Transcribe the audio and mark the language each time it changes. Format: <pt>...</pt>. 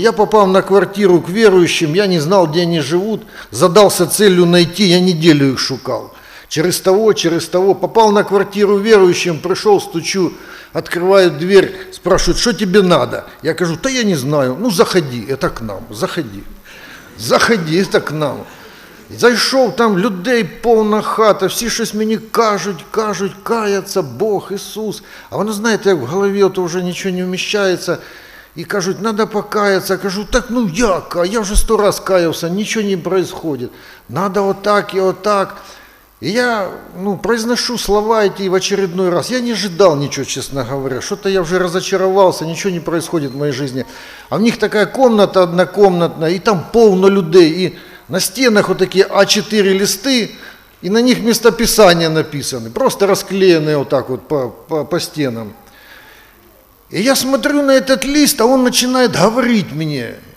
<ru>Я попал на квартиру к верующим, я не знал, где они живут. Задался целью найти, я неделю их шукал. Через того. Попал на квартиру верующим, пришел, стучу, открываю дверь, спрашивают, что тебе надо? Я говорю, да я не знаю. Ну, заходи, это к нам, заходи. Заходи, это к нам.</ru> <uk>Зайшов, там людей повна хата, всі щось мені кажуть, каяться, Бог, Ісус. А вони, знаєте, в голові от вже нічого не вміщається, і кажуть, треба покаятися. Кажу, так ну як, а я вже 100 раз каявся, нічого не відбувається, треба отак і отак. І я, ну, произношу слова ті</uk> <ru>в очередной раз,</ru> <uk>я не ожидав нічого, чесно говоря, що-то я вже розчарувався, нічого не відбувається в моїй житті. А в них така кімната однокомнатна, і там повно людей,</uk> <ru>і на стенах вот такие А4 листы, и на них местописания написаны, просто расклеенные вот так вот по стенам. И я смотрю на этот лист, а он начинает говорить мне.</ru>